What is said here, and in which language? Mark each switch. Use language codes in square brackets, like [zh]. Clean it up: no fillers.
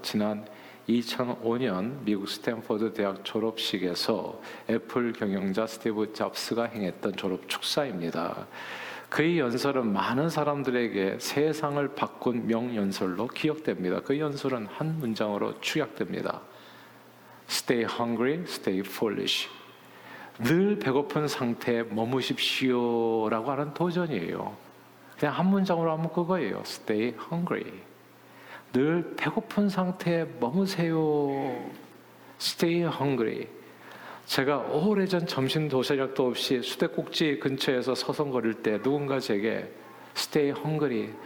[ko] 지난 2005년 미국 스탠퍼드 대학 졸업식에서 애플 경영자 스티브 잡스가 행했던 졸업 축사입니다. 그의 연설은 많은 사람들에게 세상을 바꾼 명연설로 기억됩니다. 그 연설은 한 문장으로 축약됩니다. [en] Stay hungry, stay foolish. [ko] 늘 배고픈 상태에 머무십시오 라고 하는 도전이에요. 그냥 한 문장으로 하면 그거예요. [en] Stay hungry. [ko] 늘 배고픈 상태에 머무세요. [en] Stay hungry. [ko] 제가 오래전 점심 도시락도 없이 수도꼭지 근처에서 서성거릴 때 누군가 제게 [en] Stay hungry.